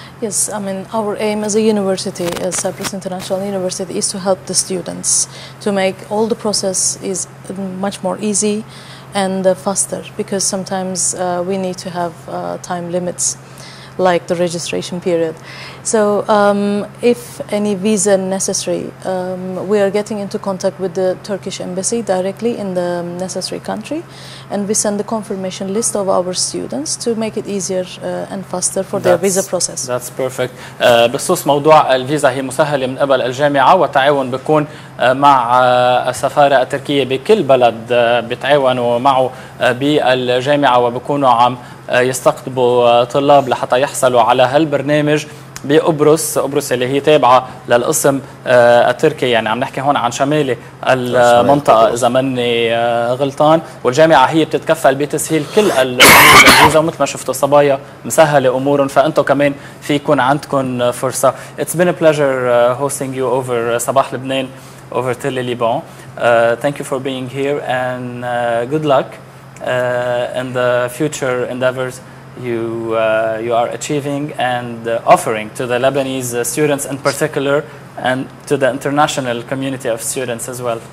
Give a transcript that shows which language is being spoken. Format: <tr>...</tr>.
<en>Yes, I mean our aim as a university, as Cyprus International University, is to help the students to make all the process is much more easy and faster because sometimes we need to have time limits like the registration period. So if any visa necessary, we are getting into contact with the Turkish embassy directly in the necessary country and we send the confirmation list of our students to make it easier and faster for their visa process. That's perfect.</en> <ar>بخصوص موضوع الفيزا هي مسهلة من قبل الجامعة وتعاون بكون مع السفارة التركية بكل بلد بتعاونوا معه بالجامعة وبكونوا عم يستقطبوا طلاب لحتى يحصلوا على هالبرنامج بقبرص. قبرص اللي هي تابعة للقسم التركي يعني عم نحكي هون عن شمالي المنطقة إذا مني غلطان والجامعة هي بتتكفل بتسهيل كل الفيزا ومثل ما شفتوا صبايا مسهلة أمورهم فأنتوا كمان فيكون عندكم فرصة.</ar> <en>It's been a pleasure hosting you over صباح لبنان over Tel Liban. Thank you for being here and good luck in the future endeavors you are achieving and offering to the Lebanese students in particular and to the international community of students as well.</en>